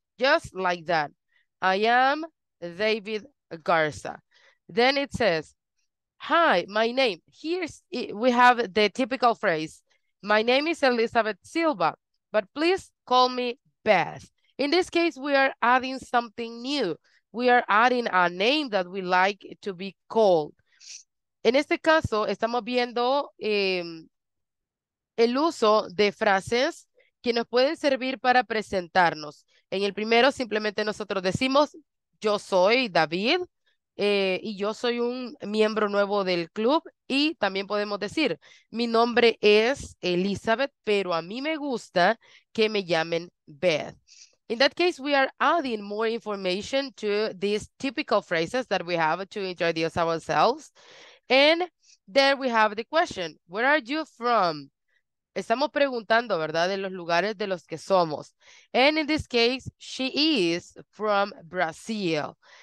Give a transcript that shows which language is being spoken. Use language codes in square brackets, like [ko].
[en] Just like that. I am David Garza. Then it says, hi, my name. Here's we have the typical phrase. My name is Elizabeth Silva, but please call me Beth. In this case, we are adding something new. We are adding a name that we like to be called. [es] En este caso, estamos viendo el uso de frases que nos pueden servir para presentarnos. En el primero, simplemente nosotros decimos, yo soy David, y yo soy un miembro nuevo del club, y también podemos decir, mi nombre es Elizabeth, pero a mí me gusta que me llamen Beth. [en] In that case, we are adding more information to these typical phrases that we have to introduce ourselves. And there we have the question, where are you from? [es] Estamos preguntando, ¿verdad?, de los lugares de los que somos. [en] And in this case, she is from Brazil.